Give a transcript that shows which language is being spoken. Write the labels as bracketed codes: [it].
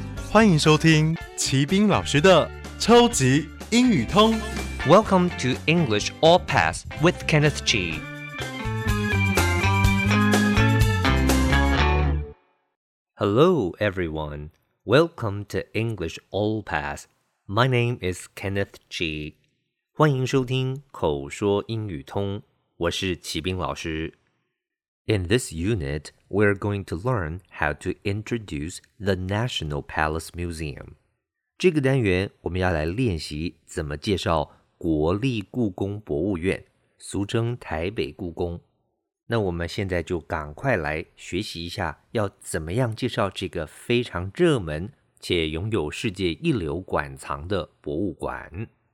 [zh] 欢迎收听齐宾老师的超级英语通。 [en] Welcome to English All Pass with Kenneth G. Hello, everyone. Welcome to English All Pass. My name is Kenneth G. [zh] 欢迎收听口说英语通。我是齐宾老师。 [en] In this unit, we're going to learn how to introduce the National Palace Museum. [zh] 这个单元我们要来练习怎么介绍国立故宫博物院，俗称台北故宫。那我们现在就赶快来学习一下要怎么样介绍这个非常热门且拥有世界一流馆藏的博物馆。